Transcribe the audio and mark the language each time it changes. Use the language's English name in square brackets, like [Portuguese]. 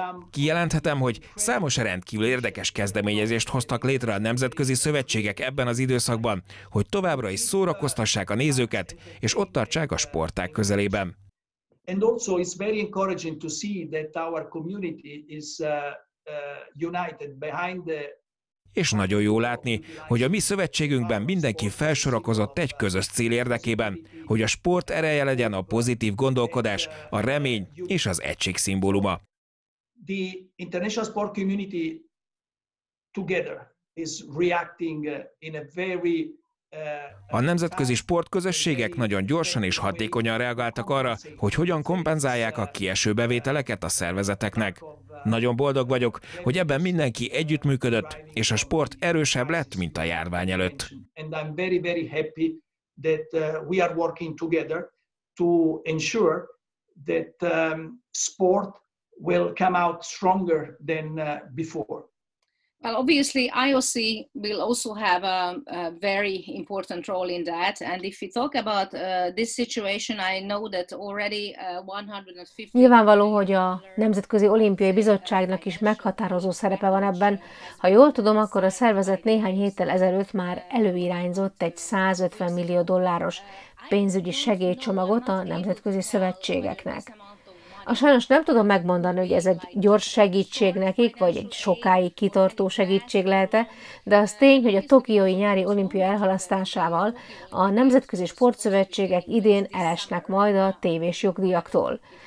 [Hungarian] Kijelenthetem, hogy számos rendkívül érdekes kezdeményezést hoztak létre a nemzetközi szövetségek ebben az időszakban, hogy továbbra is szórakoztassák a nézőket és ott tartsák a sporták közelében. [English] And also it's very encouraging to see that our community is united behind the. [Hungarian] És nagyon jó látni, hogy a mi szövetségünkben mindenki felsorakozott egy közös cél érdekében, hogy a sport ereje legyen a pozitív gondolkodás, a remény és az egység szimbóluma. [English] The international sport community together is reacting in a very. [Hungarian] A nemzetközi sportközösségek nagyon gyorsan és hatékonyan reagáltak arra, hogy hogyan kompenzálják a kieső bevételeket a szervezeteknek. Nagyon boldog vagyok, hogy ebben mindenki együttműködött, és a sport erősebb lett, mint a járvány előtt. [English] And I'm very, very happy that we are working together to ensure that sport will come out stronger than before. Well, obviously, IOC will also have a very important role in that. And if we talk about this situation, I know that already 150. [Hungarian] Nyilvánvaló, hogy a Nemzetközi Olimpiai Bizottságnak is meghatározó szerepe van ebben. Ha jól tudom, akkor a szervezet néhány héttel ezelőtt már előirányzott egy 150 millió dolláros pénzügyi segélycsomagot a nemzetközi szövetségeknek. A sajnos nem tudom megmondani, hogy ez egy gyors segítség nekik, vagy egy sokáig kitartó segítség lehet-e, de az tény, hogy a tokiói nyári olimpia elhalasztásával a nemzetközi sportszövetségek idén elesnek majd a tévés jogdíjaktól.